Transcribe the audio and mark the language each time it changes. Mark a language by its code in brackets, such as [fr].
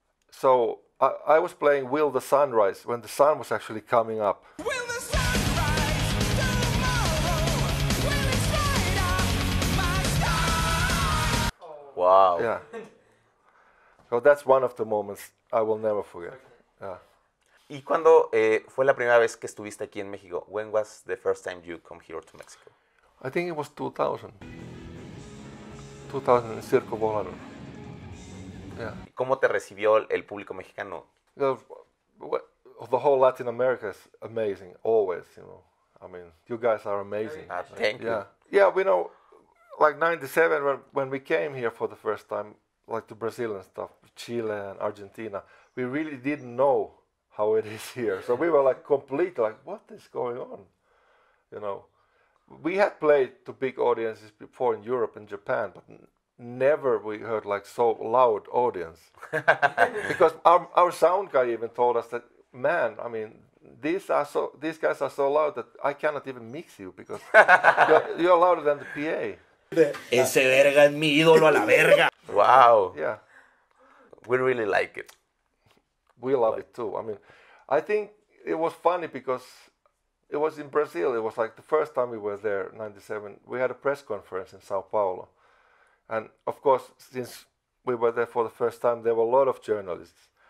[en] So I was playing Will the Sun Rise when the sun was actually coming up. Will the sun rise tomorrow? Will it light up my sky? Oh. Wow. Yeah. So that's one of the moments I will never forget. Okay. Yeah. [es] ¿Y cuándo fue la primera vez que estuviste aquí en México? [en] When was the first time you come here to Mexico? I think it was 2000. 2000 en Circo Volador. Yeah. [es] ¿Cómo te recibió el público mexicano? [en] The whole Latin America is amazing, always, you know. I mean, you guys are amazing. Thank you. Yeah, we know, like 97, when we came here for the first time, like to Brazil and stuff, Chile and Argentina, we really didn't know how it is here. So we were like complete, like, what is going on? You know, we had played to big audiences before in Europe and Japan, but never we heard like so loud audience. Because our sound guy even told us that, man, I mean, these guys are so loud that I cannot even mix you because you're louder than the PA. [es] Ese verga es mi ídolo a la verga. [en] Wow. Yeah. We really like it. We love it too. I mean, I think it was funny because it was in Brazil. It was like the first time we were there, 97. We had a press conference in Sao Paulo. And of course, since we were there for the first time, there were a lot of journalists.